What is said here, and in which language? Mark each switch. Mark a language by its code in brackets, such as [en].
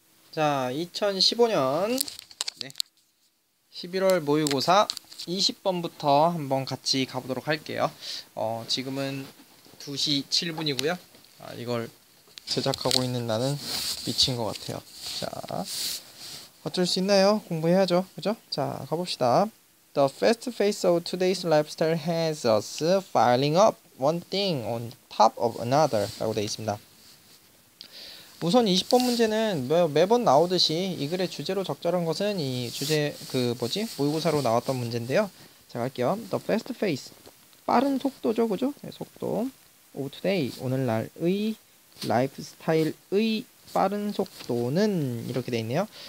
[ko] 자, 2015년 11월 모의고사 20번부터 한번 같이 가보도록 할게요. 지금은 2시 7분이고요. 이걸 제작하고 있는 나는 미친 것 같아요. 자, 어쩔 수 있나요? 공부해야죠. 그죠? 자, 가봅시다. [en] The fast pace of today's lifestyle has us piling up one thing on top of another. [ko] 라고 되어 있습니다. 우선 20번 문제는 매번 나오듯이 이 글의 주제로 적절한 것은 이 주제, 모의고사로 나왔던 문제인데요. 자, 갈게요. [en] The fast pace. [ko] 빠른 속도죠, 그죠? 네, 속도. [en] Of today. [ko] 오늘날의 라이프스타일의 빠른 속도는 이렇게 돼 있네요.